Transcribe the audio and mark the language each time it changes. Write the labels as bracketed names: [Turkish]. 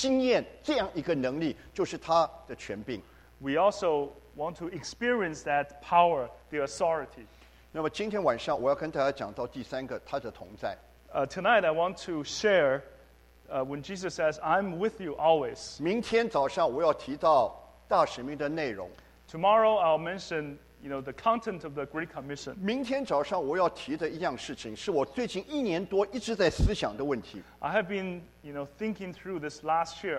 [Chinese] 我们也相信，我们也求主让我们经验这样一个能力，就是他的权柄。 [English] We also want to experience that power, the authority. [Chinese] 那么今天晚上我要跟大家讲到第三个，他的同在。 [English] Tonight I want to share when Jesus says, I'm with you always. [Chinese] 明天早上我要提到大使命的内容。 [English] Tomorrow I'll mention, you know, the content of the Great Commission. [Chinese] 明天早上我要提的一样事情, 是我最近一年多一直在思想的问题。 [English] I have been, you know, thinking through this last year.